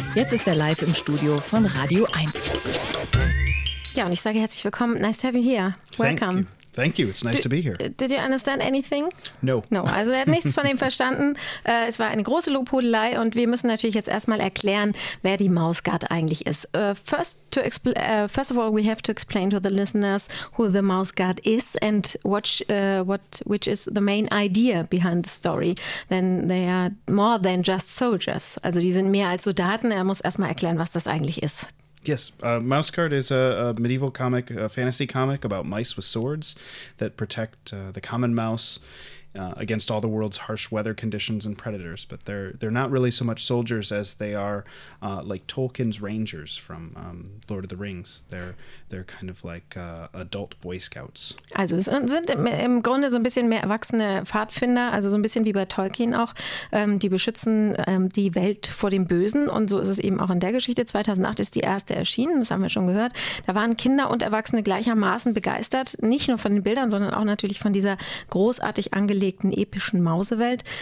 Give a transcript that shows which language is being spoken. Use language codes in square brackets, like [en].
[de] Jetzt ist er live im Studio von Radio 1. Ja, und ich sage herzlich willkommen. [en] Nice to have you here. Welcome. Thank you. It's nice to be here. Did you understand anything? No. No. [de] Also er hat nichts von dem verstanden. Es war eine große Lobhudelei und wir müssen natürlich jetzt erstmal erklären, wer die Mouseguard eigentlich ist. [en] First of all, we have to explain to the listeners who the Mouseguard is and which is the main idea behind the story. Then they are more than just soldiers. [de] Also die sind mehr als Soldaten. Er muss erstmal erklären, was das eigentlich ist. [en] Yes, Mouseguard is a medieval comic, a fantasy comic about mice with swords that protect the common mouse against all the world's harsh weather conditions and predators. But they're not really so much soldiers as they are like Tolkien's rangers from Lord of the Rings. They're kind of like adult Boy Scouts. [de] Also es sind im Grunde so ein bisschen mehr erwachsene Pfadfinder, also so ein bisschen wie bei Tolkien auch. Die beschützen die Welt vor dem Bösen und so ist es eben auch in der Geschichte. 2008 ist die erste erschienen, das haben wir schon gehört. Da waren Kinder und Erwachsene gleichermaßen begeistert, nicht nur von den Bildern, sondern auch natürlich von dieser großartig angelegten epischen Mausewelt.